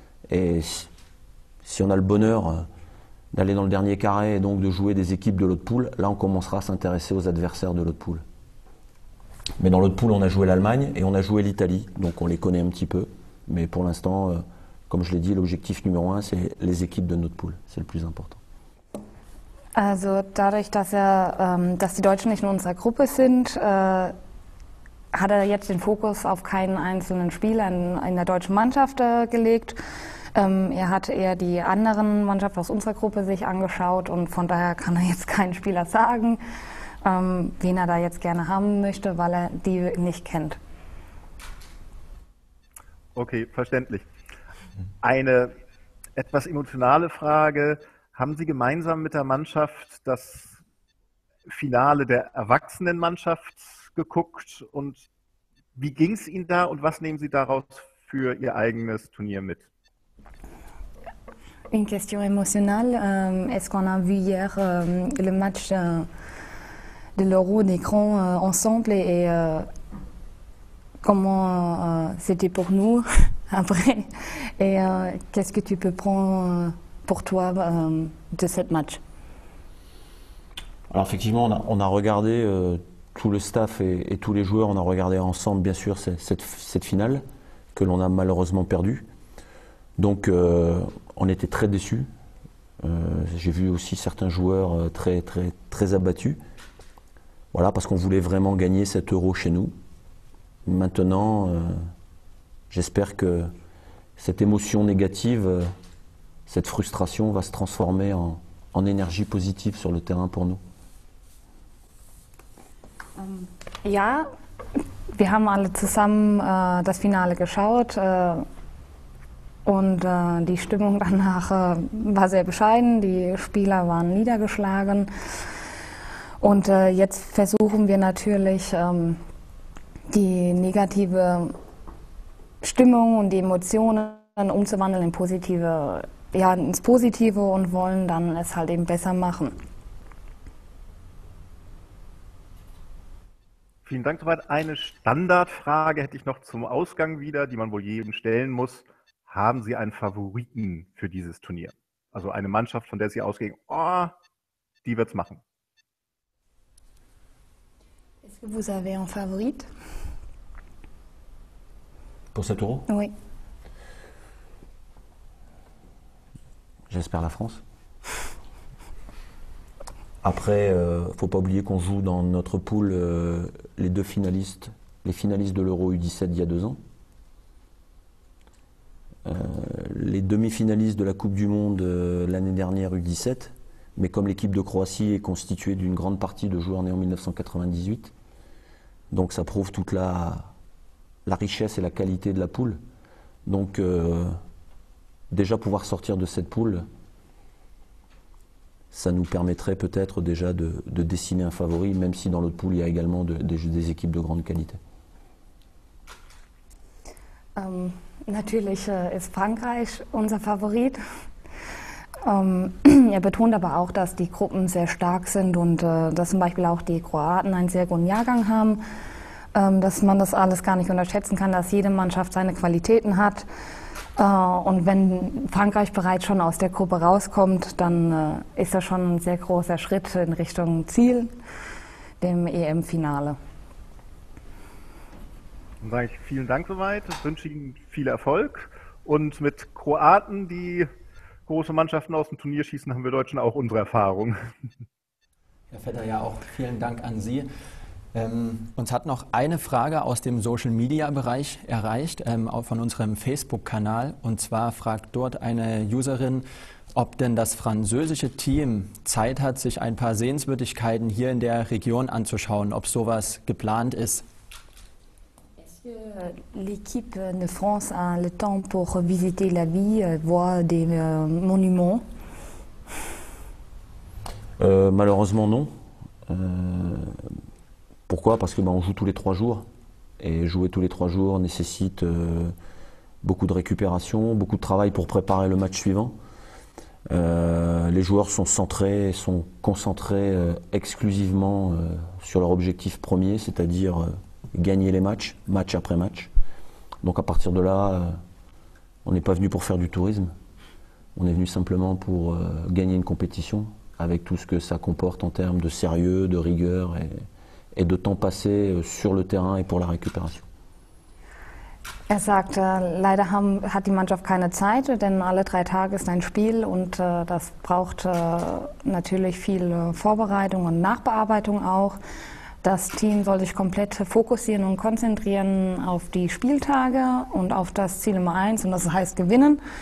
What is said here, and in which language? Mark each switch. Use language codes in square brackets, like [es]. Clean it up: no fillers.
[fr] Et si on a le bonheur d'aller dans le dernier carré et donc de jouer des équipes de l'autre poule, là on commencera à s'intéresser aux adversaires de l'autre poule. Mais dans l'autre poule, on a joué l'Allemagne et on a joué l'Italie, donc on les connaît un petit peu. Mais pour l'instant, comme je l'ai dit, l'objectif numéro un, c'est les équipes de notre poule. C'est le plus important. [de] Also dadurch, dass die Deutschen nicht in unserer Gruppe sind, hat jetzt den Fokus auf keinen einzelnen Spieler in der deutschen Mannschaft gelegt. Er hat eher die anderen Mannschaften aus unserer Gruppe sich angeschaut und von daher kann er jetzt keinen Spieler sagen, wen er da jetzt gerne haben möchte, weil er die nicht kennt. Okay, verständlich. Eine etwas emotionale Frage. Haben Sie gemeinsam mit der Mannschaft das Finale der Erwachsenenmannschaft geguckt und wie ging es Ihnen da und was nehmen Sie daraus für Ihr eigenes Turnier mit? [fr] Une question émotionnelle. Est-ce qu'on a vu hier le match de l'Euro des grands ensemble et comment c'était pour nous après? Et qu'est-ce que tu peux prendre pour toi de ce match? Alors effectivement, on a regardé tout le staff et tous les joueurs, on a regardé ensemble bien sûr cette finale que l'on a malheureusement perdue. Donc on était très déçus. J'ai vu aussi certains joueurs très très très abattus. Voilà, parce qu'on voulait vraiment gagner cet euro chez nous. Maintenant, j'espère que cette émotion négative, cette frustration va se transformer en énergie positive sur le terrain pour nous. [de] Ja, wir haben alle zusammen das Finale geschaut. Und die Stimmung danach war sehr bescheiden, die Spieler waren niedergeschlagen. Und jetzt versuchen wir natürlich, die negative Stimmung und die Emotionen umzuwandeln ins Positive und wollen dann es halt eben besser machen. Vielen Dank soweit. Eine Standardfrage hätte ich noch zum Ausgang wieder, die man wohl jedem stellen muss. Haben Sie einen Favoriten für dieses Turnier? Also eine Mannschaft, von der Sie ausgehen, die wird es machen. [fr] Est-ce que vous avez un favorite? Pour cet euro? Oui. J'espère la France. Après, faut pas oublier qu'on joue dans notre poule les deux finalistes, les finalistes de l'Euro U17 il y a deux ans. Les demi-finalistes de la Coupe du Monde l'année dernière U17, mais comme l'équipe de Croatie est constituée d'une grande partie de joueurs nés en 1998, donc ça prouve toute la richesse et la qualité de la poule. Donc déjà pouvoir sortir de cette poule, ça nous permettrait peut-être déjà de dessiner un favori, même si dans l'autre poule il y a également des équipes de grande qualité. [de] Natürlich ist Frankreich unser Favorit. Er betont aber auch, dass die Gruppen sehr stark sind und dass zum Beispiel auch die Kroaten einen sehr guten Jahrgang haben, dass man das alles gar nicht unterschätzen kann, dass jede Mannschaft seine Qualitäten hat. Und wenn Frankreich bereits schon aus der Gruppe rauskommt, dann ist das schon ein sehr großer Schritt in Richtung Ziel, dem EM-Finale. Dann sage ich vielen Dank soweit, wünsche Ihnen viel Erfolg. Und mit Kroaten, die große Mannschaften aus dem Turnier schießen, haben wir Deutschen auch unsere Erfahrung. Herr Vetter, ja auch vielen Dank an Sie. Uns hat noch eine Frage aus dem Social-Media-Bereich erreicht, auch von unserem Facebook-Kanal. Und zwar fragt dort eine Userin, ob denn das französische Team Zeit hat, sich ein paar Sehenswürdigkeiten hier in der Region anzuschauen, ob sowas geplant ist. [fr] L'équipe de France a le temps pour visiter la ville, voir des monuments? Malheureusement non. Pourquoi? Parce que on joue tous les trois jours et jouer tous les trois jours nécessite beaucoup de récupération, beaucoup de travail pour préparer le match suivant. Les joueurs sont concentrés exclusivement sur leur objectif premier, c'est-à-dire gagner les matchs, match après match. Donc à partir de là, on n'est pas venu pour faire du tourisme. On est venu simplement pour gagner une compétition, avec tout ce que ça comporte en termes de sérieux, de rigueur et de temps passé sur le terrain et pour la récupération. [de] Er sagt, leider hat die Mannschaft keine Zeit, denn alle drei Tage ist ein Spiel und das braucht natürlich viel Vorbereitung und Nachbearbeitung auch. Das Team soll sich komplett fokussieren und konzentrieren auf die Spieltage und auf das Ziel Nummer 1, und das heißt gewinnen.